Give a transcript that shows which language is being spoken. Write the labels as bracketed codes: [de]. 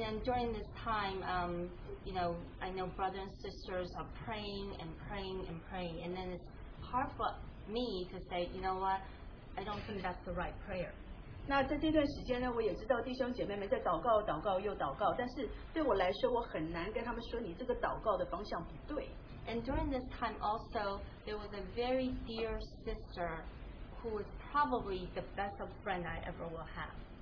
[en] then during this time, you know, I know brothers and sisters are praying and praying and praying, and then it's hard for me to say, you know what, I don't think that's the right prayer. [zh] 那在这段时间呢，我也知道弟兄姐妹们在祷告，祷告又祷告，但是对我来说，我很难跟他们说你这个祷告的方向不对。 [en] And during this time also, there was a very dear sister who was probably the best of friend I ever will have.